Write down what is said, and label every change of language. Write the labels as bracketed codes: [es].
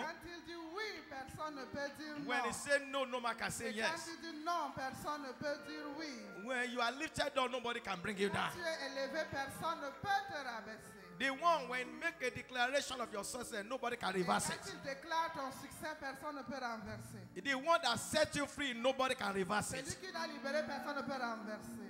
[fr] Quand il dit oui, personne ne peut dire non. [en] When he say no, no man can say yes. [fr] Quand il dit non, personne ne peut dire oui. [en] When you are lifted up, nobody can bring you down. [fr] Quand tu es élevé, personne ne peut te rabaisser. [en] The one when make a declaration of your success, nobody can reverse it. [fr] Quand il déclare ton succès, personne ne peut renverser. [en] The one that set you free, nobody can reverse [fr] celui Celui qui t'a libéré, personne ne peut renverser.